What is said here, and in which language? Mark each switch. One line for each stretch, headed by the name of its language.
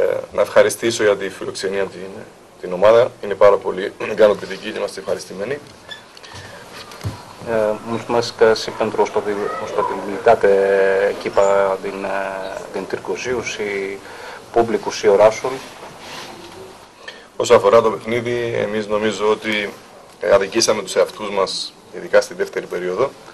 Greek: Να ευχαριστήσω για τη φιλοξενία την ομάδα. Είναι πάρα πολύ ικανοποιητική, είμαστε ευχαριστημένοι.
Romanian: Mulțumesc și pentru ospitalitate echipa din Târgu Jiu și publicul și orașul.
Greek: Όσο αφορά το παιχνίδι, εμείς νομίζω ότι αδικήσαμε τους εαυτούς μας, ειδικά στη δεύτερη περίοδο.